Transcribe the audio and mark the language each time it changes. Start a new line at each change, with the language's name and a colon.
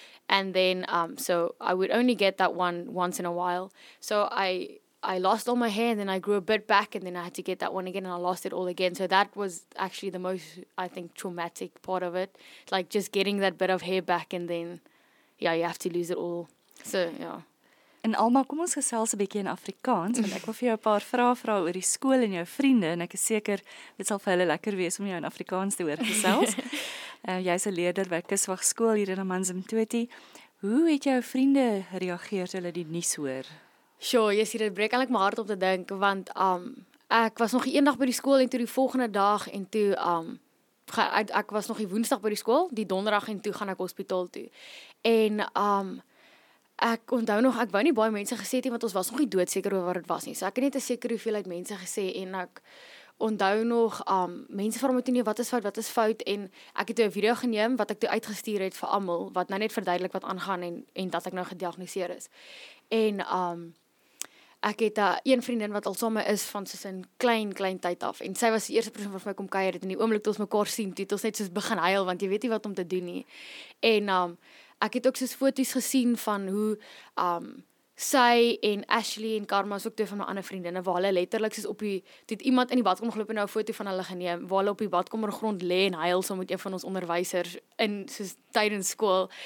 English: And then, so I would only get that one once in a while. So I lost all my hair, and then I grew a bit back, and then I had to get that one again, and I lost it all again. So that was actually the most, I think, traumatic part of it. Like, just getting that bit of hair back, and then, yeah, you have to lose it all. So, yeah.
Afrikaans: En Alma, kom ons gesels 'n bietjie in Afrikaans, want ek wil vir jou 'n paar vrae vra oor die skool en jou vriende, en ek is seker, dit sal vir hulle lekker wees om jou in Afrikaans te hoor gesels. Jy's 'n leerder by Kiswag skool hier in Amanzimtoti. Hoe het jou vriende reageer toe hulle die nuus hoor? Sure, jy sê dit breek eintlik my hart om te dink, want ek was nog eendag by die skool en toe die volgende dag en toe ek was nog die woensdag by die skool, die donderdag en toe gaan ek hospitaal toe. En ek onthou nog, ek wou nie baie mense gesê het nie, want ons was nog nie doodseker oor wat het was nie. So ek het net 'n sekere hoeveelheid mense gesê en ek onthou nog, mense vra my toe nie, wat is fout? En ek het 'n video geneem wat ek toe uitgestuur het vir almal, wat nou net verduidelik wat aangaan en dat ek nou gediagnoseer is. En ek het een vriendin wat al saam is van soos in klein tyd af. En sy was die eerste persoon wat vir my kom kuier het. En die oomblik toe ons mekaar sien, toe het ons net soos begin huil, want jy weet nie wat om te doen nie. En ek het ook soos foto's gesien van hoe sy en Ashley en Karma is ook twee van my ander vriendinne, waar hulle letterlik soos op die, toe het iemand in die badkamer geloop en nou 'n foto van hulle geneem, waar hulle op die badkamer grond lê en huil saam met een van ons onderwysers in soos tydens skool.